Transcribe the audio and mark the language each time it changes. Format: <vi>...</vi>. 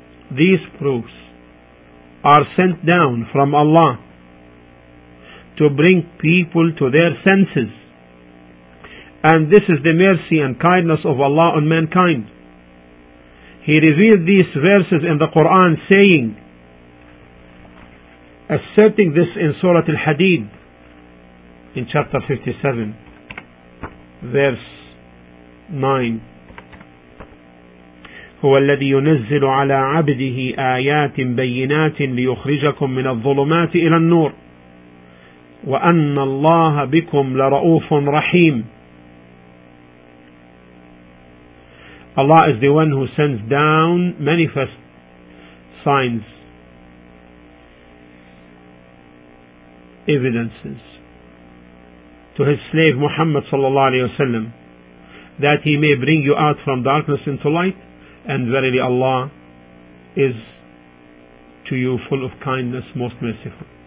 <en>these proofs are sent down from Allah to bring people to their senses. And this is the mercy and kindness of Allah on mankind. He revealed these verses in the Quran saying, asserting this in Surah Al-Hadid, in chapter 57, verse 9,</en> <ar>هو الذي ينزل على عبده آيات بينات ليخرجكم من الظلمات إلى النور وأن الله بكم لرؤوف رحيم.</ar> <en>Allah is the one who sends down manifest signs, evidences to his slave Muhammad sallallahu alayhi wa sallam, that he may bring you out from darkness into light, and verily Allah is to you full of kindness, most merciful.</en>